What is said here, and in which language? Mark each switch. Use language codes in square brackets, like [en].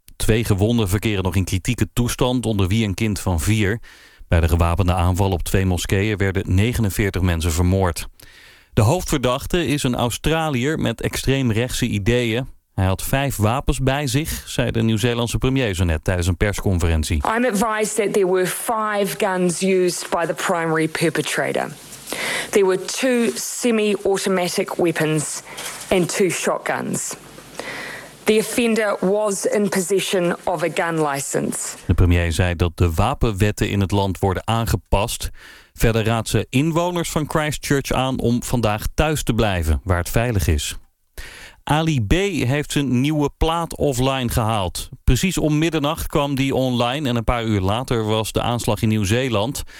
[nl] Twee gewonden verkeren nog in kritieke toestand, onder wie een kind van 4. Bij de gewapende aanval op twee moskeeën werden 49 mensen vermoord. De hoofdverdachte is een Australiër met extreemrechtse ideeën. Hij had 5 wapens bij zich, zei de Nieuw-Zeelandse premier zo net tijdens een persconferentie. [en] I'm advised that there were 5 guns used by the primary perpetrator. There were 2 semi-automatic weapons and 2 shotguns. The offender was in possession of a gun license. [nl] De premier zei dat de wapenwetten in het land worden aangepast. Verder raadt ze inwoners van Christchurch aan om vandaag thuis te blijven, waar het veilig is. Ali B. heeft zijn nieuwe plaat offline gehaald. Precies om middernacht kwam die online en een paar uur later was de aanslag in Nieuw-Zeeland.